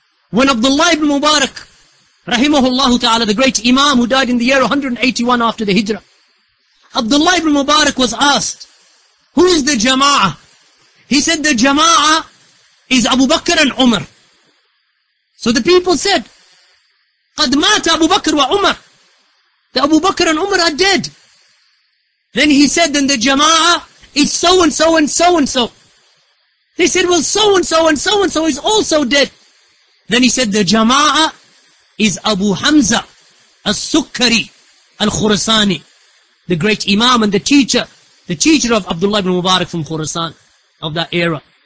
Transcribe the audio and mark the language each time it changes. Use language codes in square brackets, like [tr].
[en] When Abdullah ibn Mubarak, rahimahullah ta'ala, the great Imam who died in the year 181 after the Hijrah. Abdullah ibn Mubarak was asked, who is the Jama'ah? He said, the Jama'ah is Abu Bakr and Umar. So the people said, [ar] قَدْ مَاتَ أَبُو بَكْرُ وَعُمَرُ. [en] that Abu Bakr and Umar are dead. Then he said, then the Jama'ah is so and so and so and so. They said, well, so and so and so and so is also dead. Then he said, the Jama'ah is Abu Hamza al-Sukkari al-Khurasani, the great Imam and the teacher of Abdullah ibn Mubarak from Khurasan, of that era.